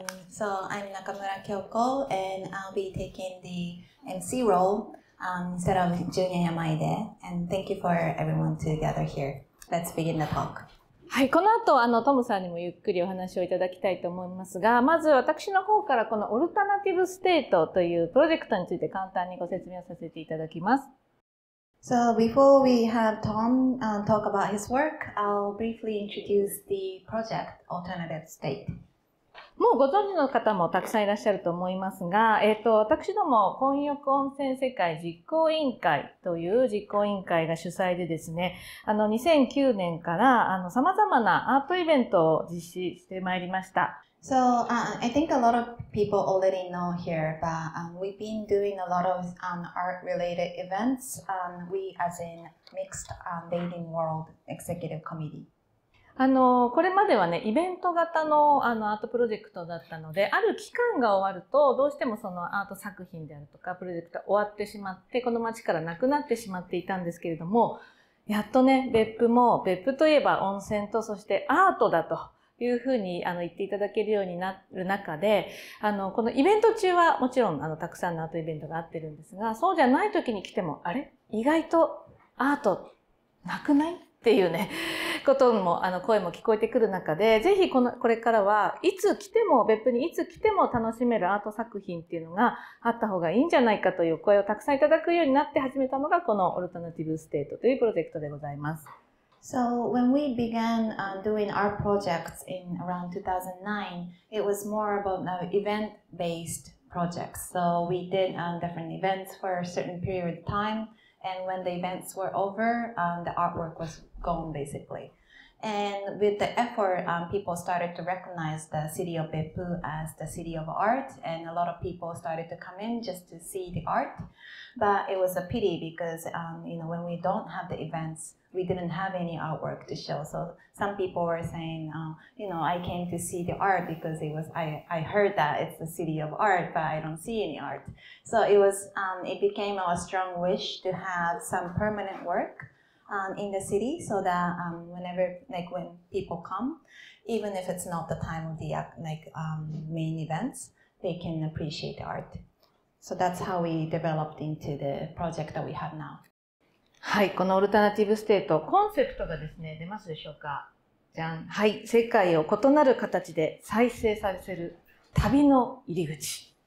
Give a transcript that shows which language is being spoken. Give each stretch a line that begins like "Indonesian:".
English: So I'm Nakamura Kyoko, and I'll be taking the MC role instead of Junya Yamaide. And thank you for everyone to gather here. Let's begin the talk.
Japanese: はい、この後トムさんにもゆっくりお話をいただきたいと思いますが、まず私の方からこのオルタナティブステートというプロジェクトについて簡単にご説明させていただきます。
English: So before we have Tom talk about his work, I'll briefly introduce the project Alternative State.
Japanese: もうご存知の方もたくさんいらっしゃると思いますが、私ども混浴温泉世界実行委員会という実行委員会が主催でですね、2009年からさまざまなアートイベントを実施してまいりました。
English: So, I think a lot of people already know here, but we've been doing a lot of art-related events. We, as in Mixed Dating World Executive Committee.
Japanese: これまではね、イベント型のアートプロジェクトだったので、ある期間が終わると、どうしてもそのアート作品であるとかプロジェクト終わってしまって、この街からなくなってしまっていたんですけれども、やっとね、別府も別府といえば温泉とそしてアートだと。いうふうに言っていただけるようになる中で、このイベント中はもちろんたくさんのアートイベントがあってるんですが、そうじゃない時に来ても、あれ意外とアートなくないっていうね、ことも声も聞こえてくる中で、ぜひこれからはいつ来ても、別府にいつ来ても楽しめるアート作品っていうのがあった方がいいんじゃないかという声をたくさんいただくようになって始めたのが、このオルタナティブステートというプロジェクトでございます。
English: So when we began doing art projects in around 2009, it was more about event-based projects. So we did different events for a certain period of time, and when the events were over, the artwork was gone basically. And with the effort, people started to recognize the city of Beppu as the city of art, and a lot of people started to come in just to see the art. But it was a pity because when we don't have the events,We didn't have any artwork to show. So some people were saying, I came to see the art because I heard that it's the city of art, but I don't see any art. So it was, it became our strong wish to have some permanent work in the city so that when people come, even if it's not the time of the main events, they can appreciate the art. So that's how we developed into the project that we have now.
Japanese: はい、このオルタナティブステート、コンセプトがですね、出ますでしょうか。じゃん。はい、世界を異なる形で再生させる旅の入り口。